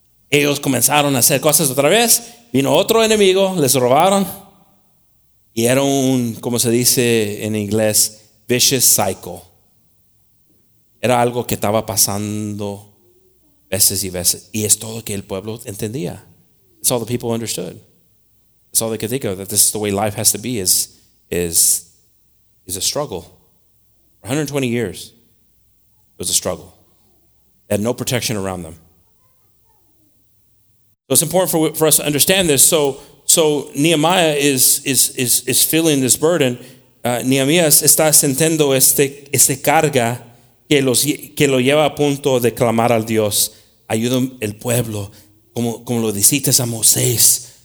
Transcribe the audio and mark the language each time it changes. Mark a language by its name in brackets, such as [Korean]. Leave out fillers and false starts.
[Spanish] Ellos comenzaron a hacer cosas otra vez. Vino otro enemigo, les robaron. Y era un, como se dice en inglés, [English] vicious cycle. [Spanish] Era algo que estaba pasando veces y veces. Y es todo que el pueblo entendía. [English] It's all the people understood. It's all they could think of, that this is the way life has to be, is a struggle. For 120 years, it was a struggle. They had no protection around them. So it's important for us to understand this. So Nehemiah is feeling this burden. [Spanish] Nehemiah está sintiendo este carga que lo lleva a punto de clamar al Dios. Ayuda el pueblo, como lo dijiste a Moisés.